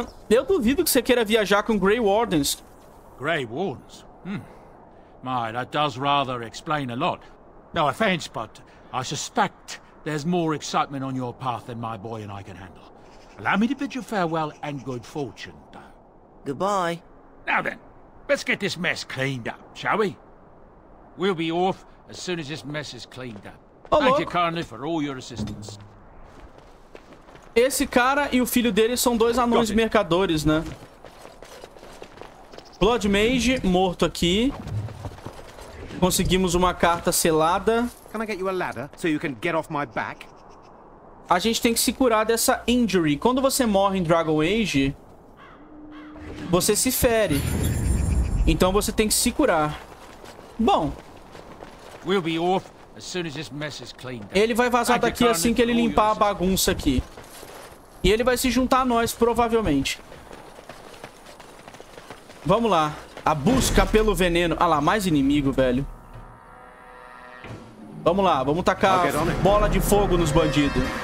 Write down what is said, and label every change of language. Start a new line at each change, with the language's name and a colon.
Portuguese: Eu duvido que você queira viajar com Grey Wardens.
English: Grey Wardens? My, that does rather explain a lot. No offense, but I suspect there's more excitement on your path than my boy and I can handle. Allow me to bid you farewell and good fortune, though. Goodbye. Now then, let's get this mess cleaned up, shall we? We'll be off as soon as this mess is cleaned up. Oh, thank you kindly for all your assistance.
Portuguese: Esse cara e o filho dele são dois anões mercadores, né? Blood Mage, morto aqui. Conseguimos uma carta selada.
English: Can I get you a ladder so you can get off my back?
Portuguese: A gente tem que se curar dessa injury. Quando você morre em Dragon Age, você se fere. Então você tem que se curar. Bom.
English: We'll be off as soon as this mess is cleaned.
Portuguese: Ele vai vazar daqui assim que ele limpar a bagunça aqui. E ele vai se juntar a nós, provavelmente. Vamos lá. A busca pelo veneno. Ah lá, mais inimigo, velho. Vamos lá, vamos tacar bola de fogo nos bandidos.